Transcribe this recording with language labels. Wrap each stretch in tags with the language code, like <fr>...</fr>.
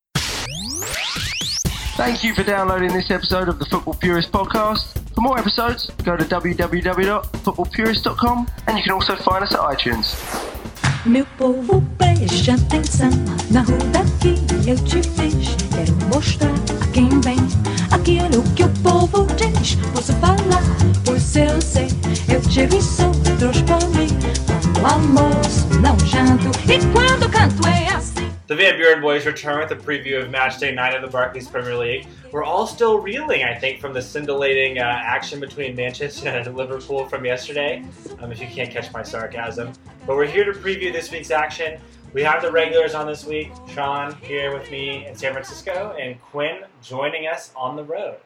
<en>Thank you for downloading this episode of the Football Purist Podcast. For more episodes, go to www.footballpurist.com and you can also find us at iTunes.</en> <pt>Aquilo que o povo diz, posso falar, pois eu sei, eu tiro isso, trouxe pra mim, quando almoço, não janto, e quando canto é assim.</pt> <en>The Van Buren boys return with a preview of match day 9 of the Barclays Premier League. We're all still reeling, I think, from the scintillating action between Manchester and Liverpool from yesterday, if you can't catch my sarcasm. But we're here to preview this week's action. We have the regulars on this week, Sean here with me in San Francisco, and Quinn joining us on the road.</en>